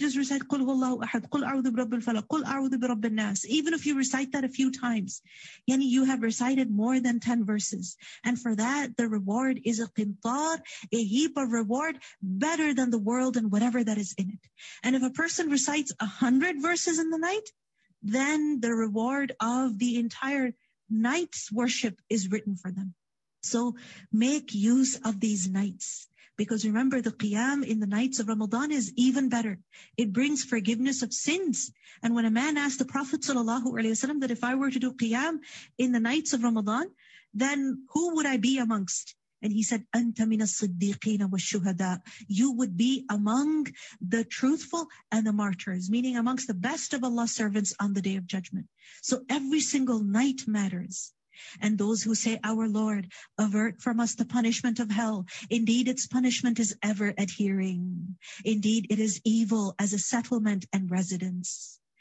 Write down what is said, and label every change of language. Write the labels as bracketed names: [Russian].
[English] Just recite, [Arabic] قُلْ هُوَ اللَّهُ أَحَدْ قُلْ أَعُوذُ بِرَبِّ الْفَلَقِ قُلْ أَعُوذُ بِرَبِّ النَّاسِ. [English] Even if you recite that a few times, yani you have recited more than 10 verses. And for that, the reward is a qintar, a heap of reward, better than the world and whatever that is in it. And if a person recites 100 verses in the night, then the reward of the entire night's worship is written for them. So make use of these nights. Because remember, the qiyam in the nights of Ramadan is even better. It brings forgiveness of sins. And when a man asked the Prophet ﷺ that if I were to do qiyam in the nights of Ramadan, then who would I be amongst? And he said, [Arabic] أَنْتَ مِنَ الصِّدِّيقِينَ وَالشُّهَدَىٰ. [English] You would be among the truthful and the martyrs, meaning amongst the best of Allah's servants on the Day of Judgment. So every single night matters. And those who say, our Lord, avert from us the punishment of hell. Indeed, its punishment is ever adhering. Indeed, it is evil as a settlement and residence.